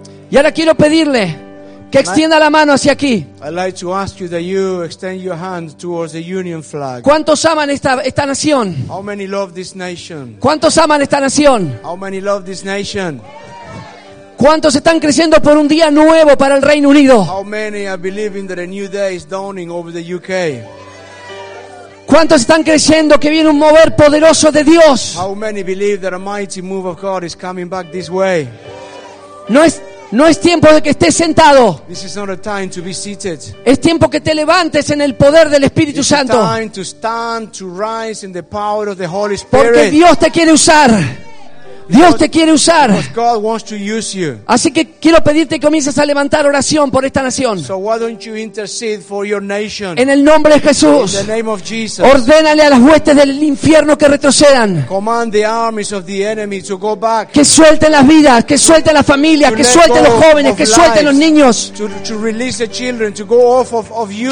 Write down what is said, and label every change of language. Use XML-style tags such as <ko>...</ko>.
<es>Y ahora quiero pedirle que extienda la mano hacia aquí.</es> <en>I'd like to ask you that you extend your hand towards the Union flag.</en> <es>¿Cuántos aman esta nación?</es> <en>How many love this nation?</en> <es>¿Cuántos aman esta nación?</es> <en>How many love this nation?</en> <es>¿Cuántos están creciendo por un día nuevo para el Reino Unido?</es> <en>How many are believing that a new day is dawning over the UK?</en> <es>¿Cuántos están creyendo que viene un mover poderoso de Dios?</es> <en>How many believe that a mighty move of God is coming back this way?</en> <es>No es tiempo de que estés sentado.</es> <en>This is not a time to be seated.</en> <es>Es tiempo que te levantes en el poder del Espíritu Santo.</es> <en>It's time to stand, to rise in the power of the Holy Spirit.</en> <es>Porque Dios te quiere usar. Dios te quiere usar.</es> <en>Because God wants to use you.</en> <es>Así que quiero pedirte que comiences a levantar oración por esta nación.</es> <en>So why don't you intercede for your nation?</en> <es>En el nombre de Jesús.</es> <en>In the name of Jesus.</en> <es>Ordénale a las huestes del infierno que retrocedan.</es> <en>Command the armies of the enemy to go back.</en> <es>Que suelten las vidas, que suelten las familias, que suelten los jóvenes, que suelten los niños.</es> <en>To release the children, to go off of youth.</en>